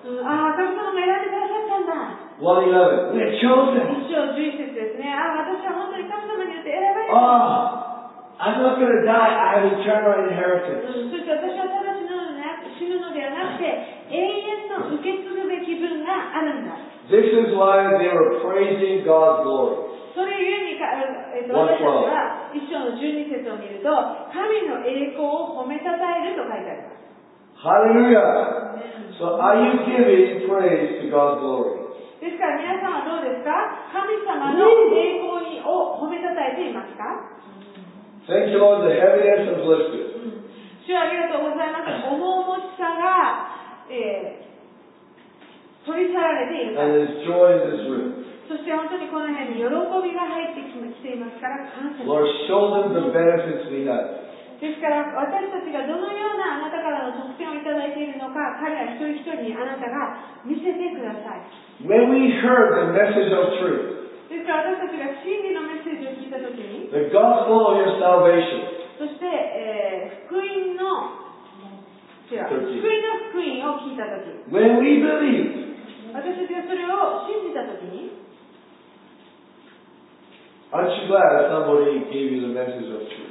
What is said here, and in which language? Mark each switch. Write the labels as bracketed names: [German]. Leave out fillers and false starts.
[Japanese] ああ、神様が選んでくださったんだ。 [English] 1:11, we are chosen. [Japanese] 1:11ですね。ああ、私は本当に神様によって選ばれ [English] た。Oh, I'm not gonna die. I have eternal inheritance. [Japanese] そして私は直ちに死ぬのではなくて、永遠の受け継ぐべき分があるんだ。 [English] This is why they were praising God's glory. [Japanese] それゆえに、私たちは一章の12節を見ると、神の栄光を褒めたたえると書いてあります。ハレルヤ。 [English] So are you giving praise to God's glory? [Japanese] ですから皆さんはどうですか？神様の栄光を褒めたたえていますか？ [English] Thank you, Lord, the heaviness has lifted. [Japanese] 主はありがとうございます。重々しさが、取り去られています [English] 。And there's joy in this room. [Japanese] そして本当にこの辺に喜びが入ってきていますから感謝 [English] します。Lord, show them the benefits we have. [Japanese] ですから私たちがどのようなあなたからの特典をいただいているのか、彼ら一人一人にあなたが見せてください。 [English] When we heard the message of truth, [Japanese] ですから私たちが真理のメッセージを聞いたときに、 [English] the gospel of your salvation. [Japanese] そして、福音の、福音を聞いたとき、 [English] when we believed. Aren't you glad somebody gave you the message of